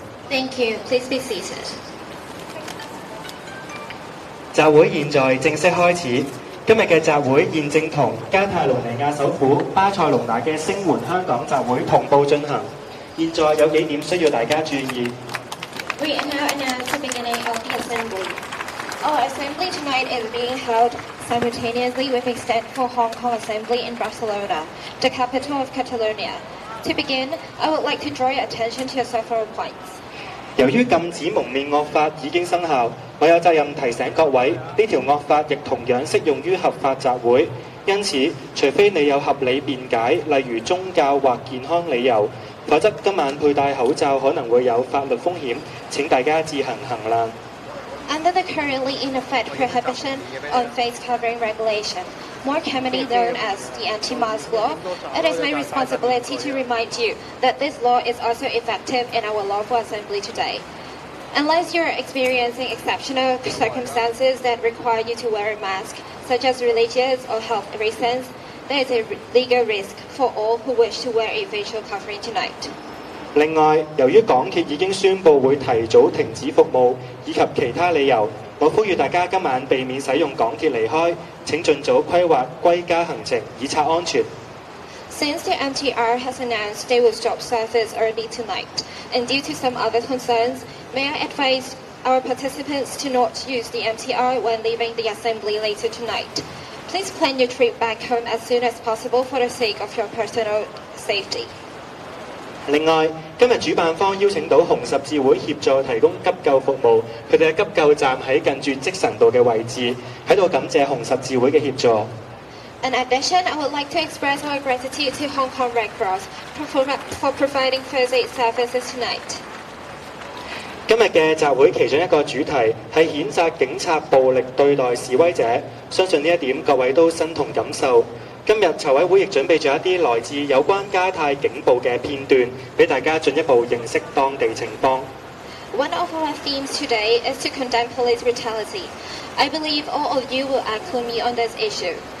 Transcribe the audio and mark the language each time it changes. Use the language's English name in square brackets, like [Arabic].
[English] Thank you. Please be seated. [Chinese] 集會現在正式開始。今日的集會現正同加泰羅尼亞首府巴塞隆那的聲援香港集會同步進行。現在有幾點需要大家注意。 [English] We are now announced the beginning of the assembly. Our assembly tonight is being held simultaneously with a Central Hong Kong Assembly in Barcelona, the capital of Catalonia. To begin, I would like to draw your attention to several points. [Chinese] 由於禁止蒙面惡法已經生效，我有責任提醒各位，這條惡法亦同樣適用於合法集會。因此，除非你有合理辯解，例如宗教或健康理由，否則今晚佩戴口罩可能會有法律風險，請大家自行衡量。 [English] Under the currently in effect prohibition on face covering regulation,more commonly known as the anti-mask law, it is my responsibility to remind you that this law is also effective in our lawful assembly today. Unless you're experiencing exceptional circumstances that require you to wear a mask, such as religious or health reasons, there is a legal risk for all who wish to wear a facial covering tonight. [Chinese] 另外，由于港铁已经宣布会提早停止服务，以及其他理由，我呼吁大家今晚避免使用港铁离开，请尽早规划归家行程，以策安全。 [English] Since the MTR has announced they will stop service early tonight, and due to some other concerns, may I advise our participants to not use the MTR when leaving the assembly later tonight. Please plan your trip back home as soon as possible for the sake of your personal safety. [Chinese] 另外，今日主办方邀请到红十字会协助提供急救服务，他们的急救站在近住积神道的位置，在这里感谢红十字会的协助。 [English] In addition, I would like to express my gratitude to Hong Kong Red Cross for providing first aid services tonight. [Chinese] 今日的集会其中一个主题是谴责警察暴力对待示威者，相信这一点各位都身同感受。今日筹委会亦准备了一些来自有关加泰警报的片段，给大家进一步认识当地情况。 [English] One of our themes today is to condemn police brutality. I believe all of you will echo me on this issue.